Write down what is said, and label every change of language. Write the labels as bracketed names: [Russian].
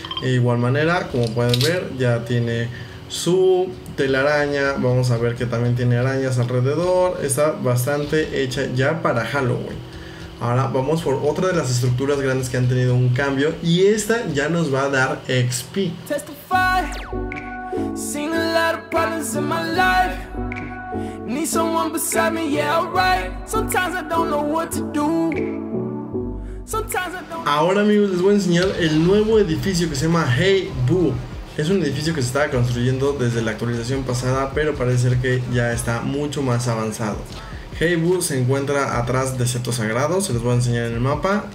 [Spanish] De igual manera, como pueden ver, ya tiene su telaraña. Vamos a ver que también tiene arañas alrededor. Está bastante hecha ya para Halloween. Ahora vamos por otra de las estructuras grandes que han tenido un cambio. Y esta ya nos va a dar XP. Testify. [English] Seen a lot of problems in my life. Need someone beside me, yeah, alright. Sometimes I don't know what to do. [Spanish] Ahora, amigos, les voy a enseñar el nuevo edificio que se llama Hey Boo. Es un edificio que se estaba construyendo desde la actualización pasada, pero parece ser que ya está mucho más avanzado. Hey Boo se encuentra atrás de Setos Sagrados. Se los voy a enseñar en el mapa.